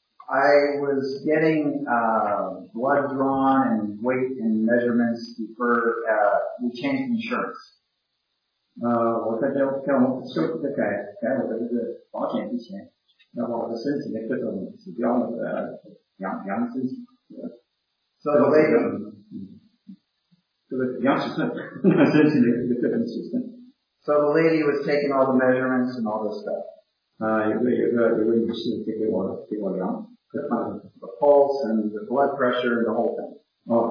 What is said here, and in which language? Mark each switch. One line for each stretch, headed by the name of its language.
English: I was getting blood drawn and weight and measurements before we changed insurance.
Chinese: 我在我们修复的改我的这个保险之前，要把我的身体的各种指标量身体。
English: So the lady,
Chinese: 这个量尺寸，身体的各种尺寸。
English: So the lady was taking all the measurements and all this stuff.
Chinese: 有个女士给我量。
English: The pulse and the blood pressure and the whole thing.